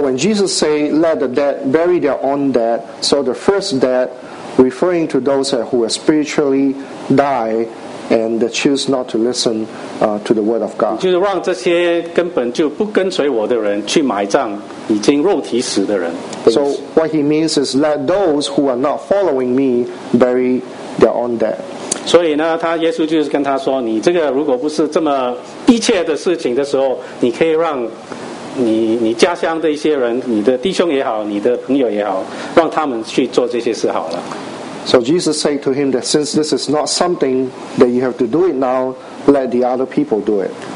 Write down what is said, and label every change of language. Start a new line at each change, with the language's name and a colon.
English: when Jesus say, let the dead bury their own dead, so the first dead referring to those who are spiritually die and choose not to listen to the word of God.
Chinese: 就是让这些根本就不跟随我的人去埋葬已经肉体死的人。
English: So what he means is let those who are not following me bury their own dead.
Chinese: 所以呢，他耶稣就是跟他说，你这个如果不是这么迫切的事情的时候，你可以让 你家乡的一些人，你的弟兄也好，你的朋友也好，让他们去做这些事好了。
English: So Jesus said to him that since this is not something that you have to do it now, let the other people do it.